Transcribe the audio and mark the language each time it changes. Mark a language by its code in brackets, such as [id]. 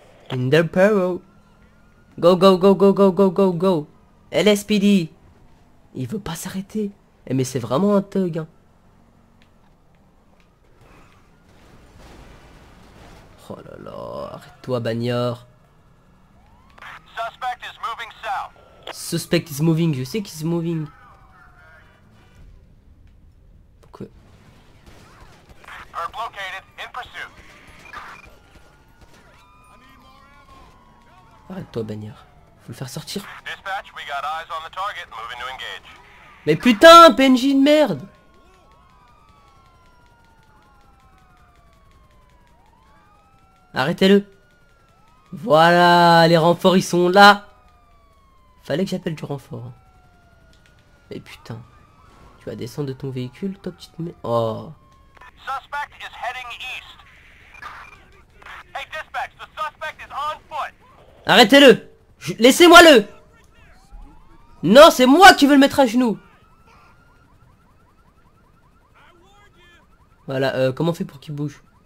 [en] In Del Perro. Go, go, go, go, go, go, go, go. LSPD. [fr] Il veut pas s'arrêter. Eh, mais c'est vraiment un thug, hein. Oh là là, arrête-toi, bagnard. [en] Suspect is moving south. Suspect is moving, [fr] je sais qu'il est moving. Pourquoi? [en] Perp located, in pursuit. [fr] Arrête-toi, bagnard. Faut le faire sortir. [en] Dispatch, we got eyes on the target, moving to engage. [fr] Mais putain, PNJ de merde! Arrêtez-le. Voilà, les renforts, ils sont là. Fallait que j'appelle du renfort. Hein. Mais putain. Tu vas descendre de ton véhicule, toi, petite mais. Oh. [en] Suspect is heading east. Hey, dispatch, the suspect is on foot. [fr] Arrêtez-le. Laissez-moi le. Non, c'est moi qui veux le mettre à genoux. Voilà, comment on fait pour qu'il bouge?